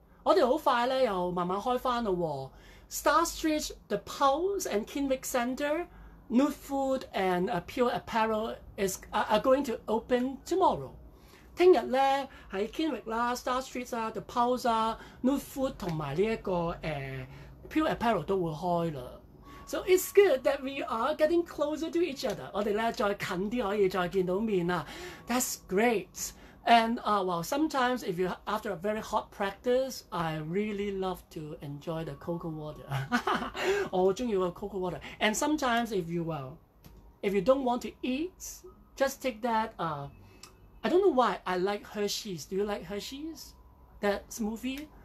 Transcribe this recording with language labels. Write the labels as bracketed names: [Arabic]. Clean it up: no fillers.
[Cantonese] 我哋好快咧，又慢慢開翻咯。 [English] Star Street, the Pulse and Kinwick Center, Nude Food and Pure Apparel is are going to open tomorrow. [Cantonese] 聽日咧喺 Kinwick 啦、Star Street 啦、The Pulse 啦、Nude Food 同埋呢一個Pure Apparel 都會開啦。 [English] So it's good that we are getting closer to each other. [Cantonese] 我哋咧再近啲可以再見到面啦。 [English] That's great. And well, sometimes if you after a very hot practice, I really love to enjoy the cocoa water. [Cantonese] 我好中意個 cocoa water. [English] And sometimes if you well, if you don't want to eat, just take that. I don't know why I like Hershey's. Do you like Hershey's? That smoothie.